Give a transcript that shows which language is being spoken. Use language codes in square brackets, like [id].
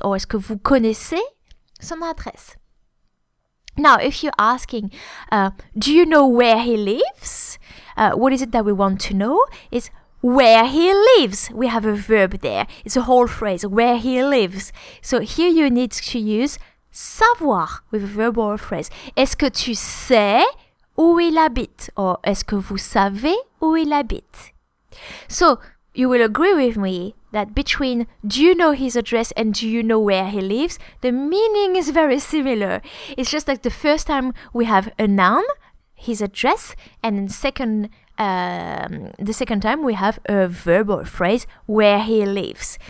[fr] Or est-ce que vous connaissez son adresse? [en] Now, if you're asking, do you know where he lives? What is it that we want to know? It's where he lives. We have a verb there. It's a whole phrase, where he lives. So here you need to use savoir with a verb or a phrase. [fr] Est-ce que tu sais où il habite? Or est-ce que vous savez où il habite? [en] So, you will agree with me that between do you know his address and do you know where he lives, the meaning is very similar. It's just like the first time we have a noun, his address, and the second time we have a verb or a phrase, where he lives.